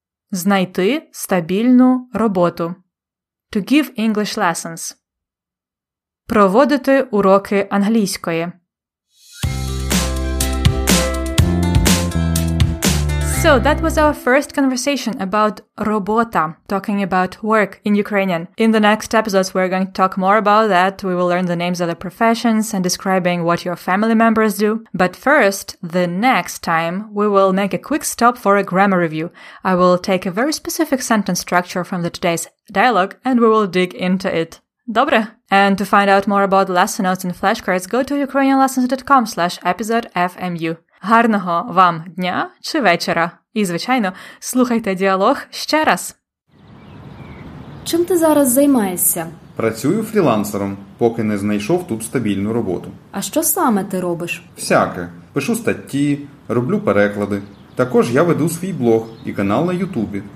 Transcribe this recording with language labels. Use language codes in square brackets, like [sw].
[uk] Знайти стабільну роботу. [en] To give English lessons. [uk] Проводити уроки англійської. [en] So that was our first conversation about робота, talking about work in Ukrainian. In the next episodes, we're going to talk more about that. We will learn the names of the professions and describing what your family members do. But first, the next time, we will make a quick stop for a grammar review. I will take a very specific sentence structure from the today's dialogue and we will dig into it. [uk] Добре! [en] And to find out more about lesson notes and flashcards, go to ukrainianlessons.com/episodefmu. [uk] Гарного вам дня чи вечора. І, звичайно, слухайте діалог ще раз. Чим ти зараз займаєшся? Працюю фрілансером, поки не знайшов тут стабільну роботу. А що саме ти робиш? Всяке. Пишу статті, роблю переклади. Також я веду свій блог і канал на Ютубі.